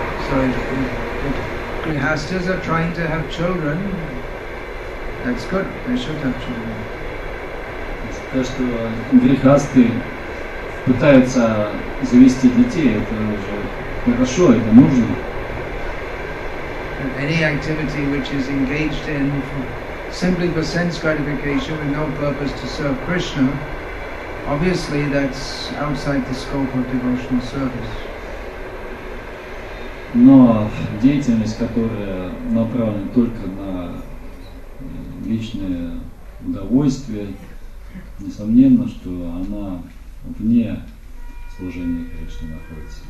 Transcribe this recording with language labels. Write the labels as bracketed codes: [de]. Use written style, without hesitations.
[en] So if grihasthas are trying to have children, that's good, they should have children. [ru] Пытаются завести детей, это уже хорошо, это нужно. [en] Any activity which is engaged in simply for sense gratification with no purpose to serve Krishna, obviously that's outside the scope of devotional service. [ru] Но деятельность, которая направлена только на личное удовольствие, несомненно, что она вне служения Кришне находится.